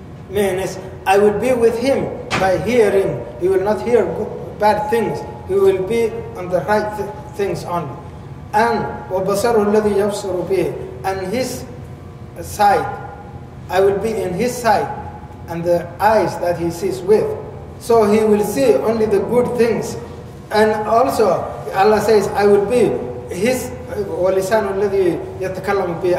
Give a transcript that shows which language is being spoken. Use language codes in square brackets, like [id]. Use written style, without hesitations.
[en] Meaning, I will be with him by hearing. He will not hear bad things. He will be on the right things only. [ar] And وَبَصَرُ الَّذِي يَبْصُرُ بِهِ. [en] And his sight, I will be in his sight and the eyes that he sees with. So he will see only the good things. And also Allah says, I will be his [ar] وَلِسَانُ الَّذِي يَتَكَلَّمُ بِهِ.